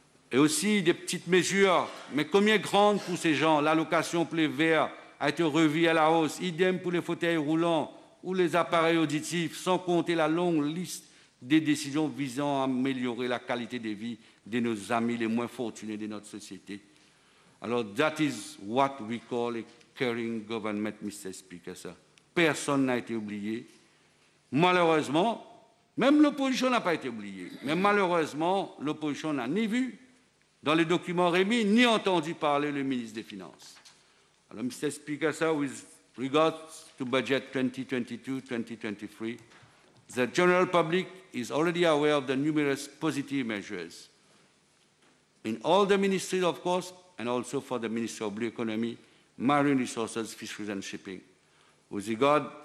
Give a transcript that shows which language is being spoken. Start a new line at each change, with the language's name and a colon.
French: Et aussi des petites mesures, mais combien grandes pour ces gens? L'allocation pour les verts a été revue à la hausse, idem pour les fauteuils roulants ou les appareils auditifs, sans compter la longue liste des décisions visant à améliorer la qualité de vie de nos amis les moins fortunés de notre société.
English: Alors, that is what we call a caring government, Mr.
French: Speaker, sir. Personne n'a été oublié. Malheureusement, même l'opposition n'a pas été oubliée. Mais malheureusement, l'opposition n'a ni vu dans les documents remis, ni entendu parler le ministre des Finances.
English: Alors, Mr. Speaker, sir, with regards to budget 2022-2023, the general public is already aware of the numerous positive measures. In all the ministries, of course, and also for the Ministry of Blue Economy, Marine Resources, Fisheries and Shipping. With regard